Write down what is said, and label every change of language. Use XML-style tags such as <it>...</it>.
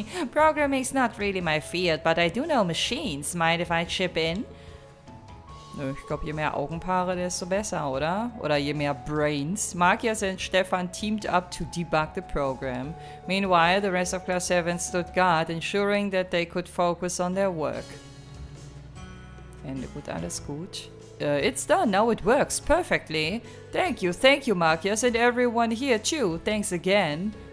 <en>Programming's not really my field, but I do know machines. Mind if I chip in?</en> <de>Ich glaube, je mehr Augenpaare, desto besser, oder? Oder je mehr Brains.</de> <en>Markias und Stefan teamed up to debug the program. Meanwhile, the rest of Class 7 stood guard, ensuring that they could focus on their work.</en> <de>Ende gut, alles gut.</de> <en>It's done, now it works perfectly. Thank you, Markias and everyone here too. Thanks again.</en>